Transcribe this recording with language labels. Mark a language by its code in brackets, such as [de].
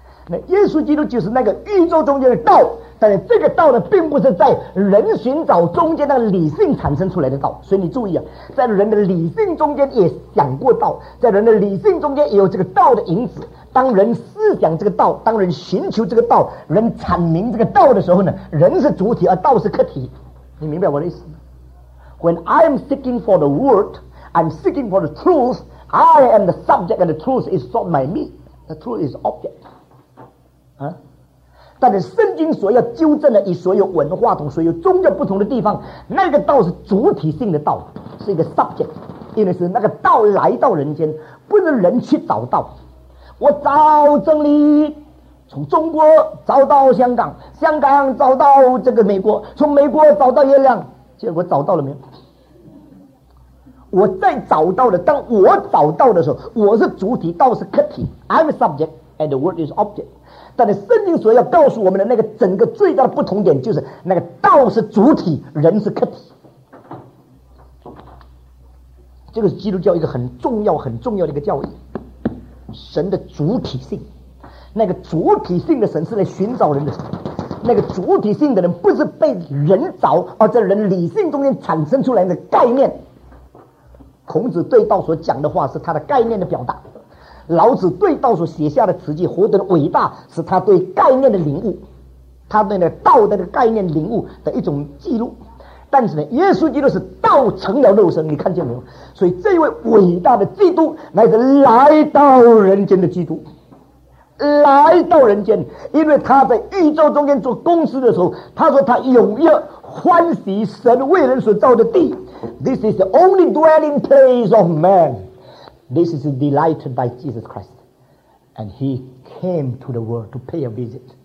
[zh] 那耶稣基督就是那个宇宙中间的道，但是这个道呢，并不是在人寻找中间那个理性产生出来的道。所以你注意啊，在人的理性中间也想过道，在人的理性中间也有这个道的影子。当人思想这个道，当人寻求这个道，人阐明这个道的时候呢，人是主体，而道是客体。你明白我的意思吗？ [en] When I am seeking for the word, I'm seeking for the truth, I am the subject and the truth is not my me. The truth is object. [zh] 但是圣经所要纠正的，以所有文化同所有宗教不同的地方，那个道是主体性的道，是一个 subject. 因为是那个道来到人间，不是人去找道。我找真理，从中国找到香港，香港找到这个美国，从美国找到月亮。结果找到了没有？我再找到的，当我找到的时候，我是主体，道是客体。 [en] I'm a subject and the word is object. [zh] 但是圣经所要告诉我们的那个整个最大的不同点，就是那个道是主体，人是客体。这个是基督教一个很重要、很重要的一个教义：神的主体性。那个主体性的神是来寻找人的神。那个主体性的人不是被人找，而在人理性中间产生出来的概念。孔子对道所讲的话是他的概念的表达，老子对道所写下的词句何等伟大，是他对概念的领悟，他对那道的概念领悟的一种记录。但是呢，耶稣基督是道成了肉身，你看见没有？所以这位伟大的基督乃是来到人间的基督，来到人间，因为他在宇宙中间做公司的时候，他说他踊跃欢喜神为人所造的地。 [en] This is the only dwelling place of man. This is delighted by Jesus Christ. And he came to the world to pay a visit.